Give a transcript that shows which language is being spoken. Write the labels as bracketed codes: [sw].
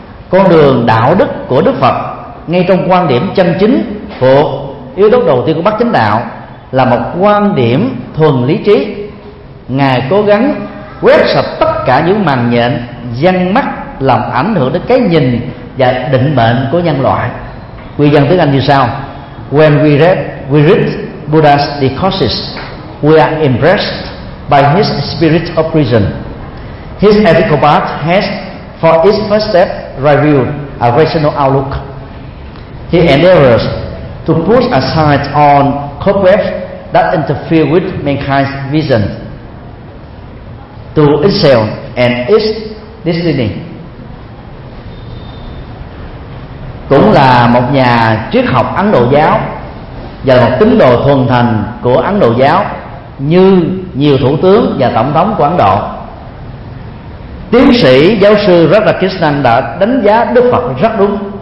[vi] Con đường đạo đức của Đức Phật, ngay trong quan điểm chân chính thuộc yếu tố đầu tiên của Bát Chánh Đạo, là một quan điểm thuần lý trí. Ngài cố gắng quét sạch tất cả những màn nhện dăng mắt làm ảnh hưởng đến cái nhìn và định mệnh của nhân loại. Quy dân tiếng Anh như sau: [en] When we read Buddha's discourses, we are impressed by his spirit of prison. His ethical path has, for its first step, revealed a rational outlook. He endeavors to push aside all cobwebs that interfere with mankind's vision to itself and its destiny. [vi] Cũng là một nhà triết học Ấn Độ giáo và là một tín đồ thuần thành của Ấn Độ giáo, như nhiều thủ tướng và tổng thống của Ấn Độ, tiến sĩ giáo sư Rashtrakutnam đã đánh giá Đức Phật rất đúng.